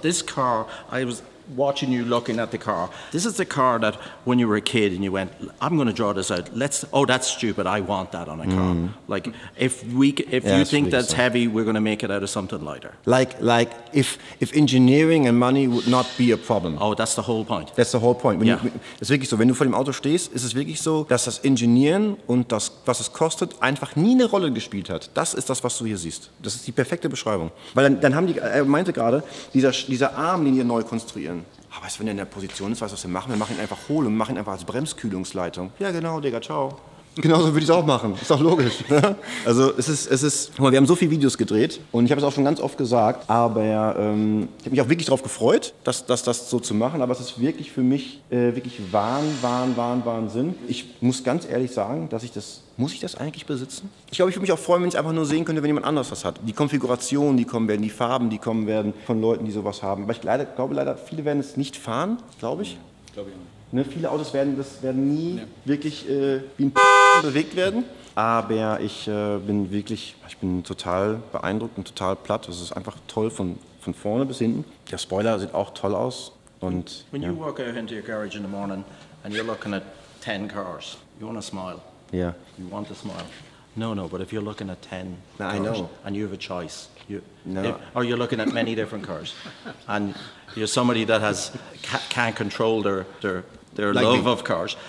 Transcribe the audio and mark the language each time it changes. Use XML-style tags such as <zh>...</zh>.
<en>This car, I was watching you looking at the car. This is the car that when you were a kid and you went, I'm going to draw this out. Oh, that's stupid. I want that on a car. Mm. Like if you think that's heavy, we're going to make it out of something lighter. Like if engineering and money would not be a problem. Oh, that's the whole point. That's the whole point.</en> <de>Es ist wirklich so, wenn du vor dem Auto stehst, ist es wirklich so, dass das Ingenieren und das, was es kostet, einfach nie eine Rolle gespielt hat. Das ist das, was du hier siehst. Das ist die perfekte Beschreibung. Weil dann haben die, er meinte gerade, dieser Arm, den ihr neu konstruiert. Aber weißt du, wenn er in der Position ist, weißt du, was wir machen? Wir machen ihn einfach hohl und machen ihn einfach als Bremskühlungsleitung. Ja, genau, Digga, ciao. Genauso würde ich es auch machen. Ist doch logisch. Ne? Also es ist, guck mal, wir haben so viele Videos gedreht und ich habe es auch schon ganz oft gesagt, aber ich habe mich auch wirklich darauf gefreut, das so zu machen, aber es ist wirklich für mich wirklich Wahnsinn. Ich muss ganz ehrlich sagen, muss ich das eigentlich besitzen? Ich glaube, ich würde mich auch freuen, wenn ich einfach nur sehen könnte, wenn jemand anderes das hat. Die Konfiguration, die kommen werden, die Farben, die kommen werden von Leuten, die sowas haben. Aber ich glaube leider, viele werden es nicht fahren, glaube ich. Glaube ich auch. Ne, viele Autos werden nie wirklich wie ein bewegt werden. Aber ich bin total beeindruckt und total platt. Es ist einfach toll von vorne bis hinten. Der Spoiler sieht auch toll aus. Und,</de> <en>when you walk out into your garage in the morning and you're looking at 10 cars, you want a smile. Yeah. You want a smile. No, but if you're looking at 10 cars, I know. And you have a choice. Or you're looking at many different cars. And you're somebody that can't control their love of cars.</en>